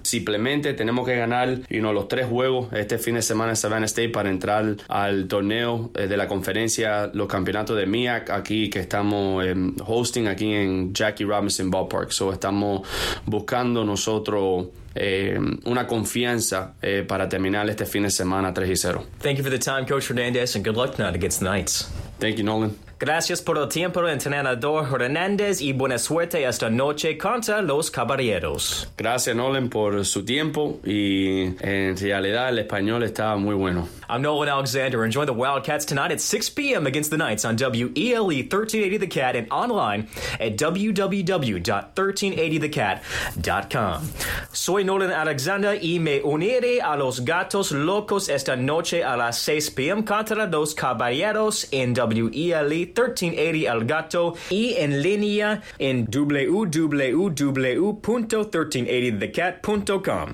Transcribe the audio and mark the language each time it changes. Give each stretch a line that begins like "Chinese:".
Spanish: Simplemente tenemos que ganar,
English: you know,
Spanish: los tres juegos este fin de semana en Savannah State para entrar al torneo de la conferencia, los campeonatos de MIAC aquí que estamos hosting aquí en Jackie Robinson Ballpark. So estamos buscando nosotros una confianza para terminar este fin de semana 3-0.
English: Thank you for the time, Coach Hernandez, and good luck tonight against the Knights. Thank you, Nolan.
Spanish: Gracias por el tiempo, entrenador Hernandez, y buena suerte esta noche contra los Caballeros. Gracias, Nolan, por su tiempo, y en realidad el español estaba muy bueno.
English: I'm Nolan Alexander. Enjoy the Wildcats tonight at 6 p.m. against the Knights on WELE 1380 The Cat and online at www.1380thecat.com.
Spanish: Soy Nolan Alexander y me uniré a los Gatos Locos esta noche a las 6 p.m. contra los Caballeros en WELE 1380 El Gato y en línea en www.1380thecat.com.